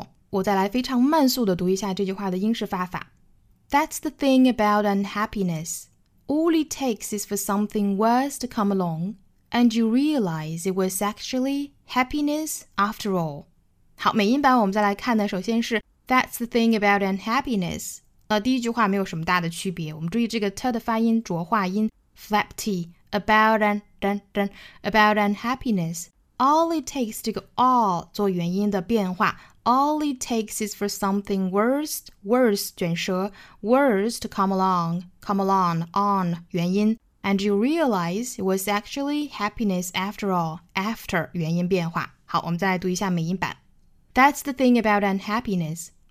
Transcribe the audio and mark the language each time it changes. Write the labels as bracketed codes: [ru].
[zh] 我再来非常慢速地读一下这句话的英式发法。 [en] That's the thing about unhappiness. All it takes is for something worse to come along, and you realize it was actually happiness after all. [zh] 好，美音版我们再来看的首先是 [en] That's the thing about unhappiness. [zh] 第一句话没有什么大的区别。我们注意这个 t 的发音浊化音 flap t, [en] about, an, dun, dun, about unhappiness. [zh] All it takes 这个 all 做元音的变化 All it takes is for something worse 卷舌 worse to come along on 元音 And you realize it was actually happiness after all after 元音变化好我们再来读一下美音版 That's the thing about unhappiness